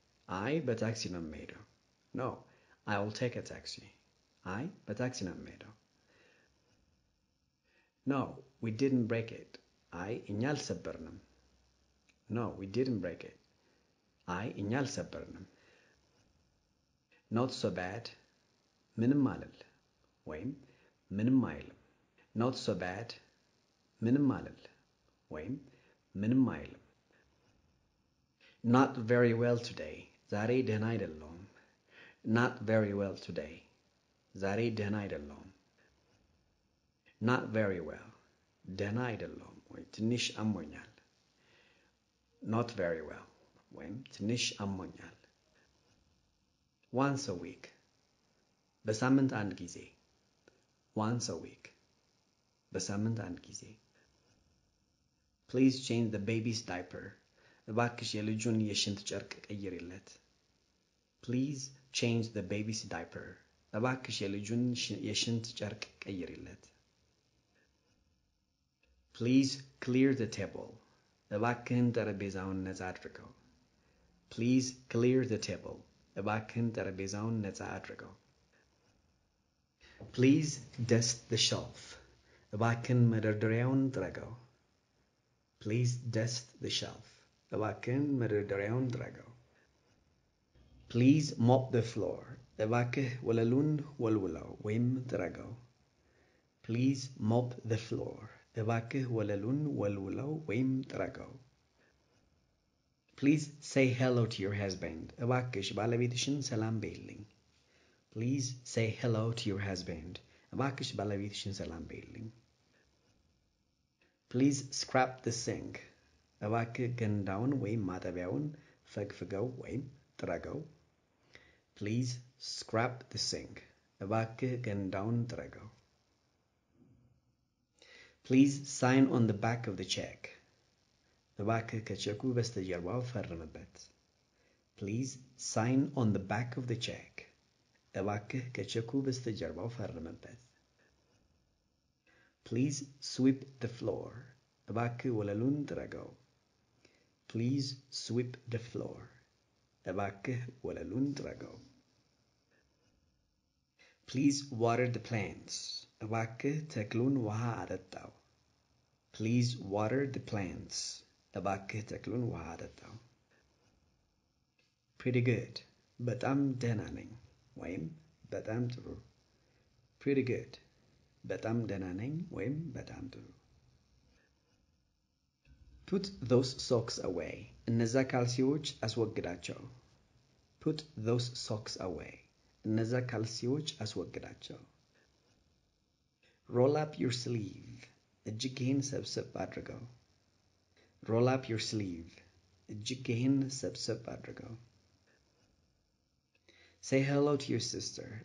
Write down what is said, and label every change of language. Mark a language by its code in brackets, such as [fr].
[am] አይ በታክሲ ነው የምሄደው። [en] No, I'll take a taxi. [am] አይ በታክሲ ነው የምሄደው። [en] No, we didn't break it. [am] አይ እኛ አልሰበርንም። [en] No, we didn't break it. [am] አይ እኛ አልሰበርንም። [en] Not so bad. [am] ምንም አይደል ወይም ምንም አይደል። [en] Not so bad. [am] ምንም አይደል ወይም ምንም አይደል። [en] Not very well today. [am] ዛሬ ደህና አይደለሁም። [en] Not very well today. [am] ዛሬ ደህና አይደለሁም። [en] Not very well. [am] ደህና አይደለሁም ወይ ትንሽ አሞኛል። [en] Not very well. [am] ወይም ትንሽ አሞኛል። [en] Once a week. [am] በሳምንት አንድ ጊዜ። [en] Once a week. [am] በሳምንት አንድ ጊዜ። [en] Please change the baby's diaper. [am] እባክሽ የልጁን የሽንት ጨርቅ ቀይሪለት። [en] Please change the baby's diaper. [am] እባክሽ የልጁን የሽንት ጨርቅ ቀይሪለት። [en] Please clear the table. [am] እባክህን ጠረጴዛውን ነጻ አድርገው። [en] Please clear the table. [am] እባክህን ጠረጴዛውን ነጻ አድርገው። [en] Please dust the shelf. [am] እባክን መደርደሪያውን ጥረገው። [en] Please dust the shelf. [am] እባክን መደርደሪያውን ጥረገው። [en] Please mop the floor. [am] እባክህ ወለሉን ወልውለው ወይም ጥረገው። [en] Please mop the floor. [am] እባክህ ወለሉን ወልውለው ወይም ጥረገው። [en] Please say hello to your husband. [am] እባክሽ ባለቤትሽን ሰላም በይልኝ። [en] Please say hello to your husband. [am] እባክሽ ባለቤትሽን ሰላም በይልኝ። [en] Please scrub the sink. [am] እባክህ ገንዳውን ወይም ማጠቢያውን ፈግፍገው ወይም ጥረገው። [en] Please scrub the sink. [am] እባክህ ገንዳውን ጥረገው። [en] Please sign on the back of the check. [am] እባክህ ከቼኩ በስተጀርባው ፈርምበት። [en] Please sign on the back of the check. [am] እባክህ ከቼኩ በስተጀርባው ፈርምበት። [en] Please sweep the floor. [am] እባክህ ወለሉን ጥረገው። [en] Please sweep the floor. [am] እባክህ ወለሉን ጥረገው። [en] Please water the plants. [am] እባክህ ተክሉን ውሃ አጠጣው። [en] Please water the plants. [am] እባክህ ተክሉን ውሃ አጠጣው። [en] Pretty good. [am] በጣም ደህና ነኝ ወይም በጣም ጥሩ። [en] Pretty good. [am] በጣም ደህና ነኝ ወይም በጣም ጥሩ። [en] Put those socks away. [am] እነዛ ካልሲዎች አስወግዳቸው። [en] Put those socks away. [am] እነዛ ካልሲዎች አስወግዳቸው። [en] Roll up your sleeve. [am] እጅጌህን ሰብሰብ አድርገው። [en] Roll up your sleeve. [am] እጅጌህን ሰብሰብ አድርገው። [en] Say hello to your sister.